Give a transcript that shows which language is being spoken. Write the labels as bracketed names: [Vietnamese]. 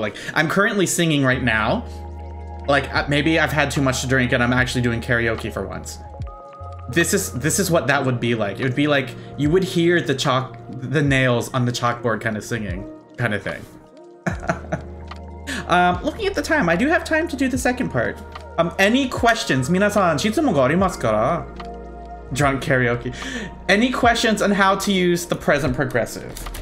[English] Like, I'm currently singing right now. Like, maybe I've had too much to drink and I'm actually doing karaoke for once. This is what that would be like. It would be like, you would hear the nails on the chalkboard kind of singing, kind of thing. looking at the time, I do have time to do the second part. Any questions? [Japanese] 皆さん, 質問がありますから? [English] Drunk karaoke. Any questions on how to use the present progressive?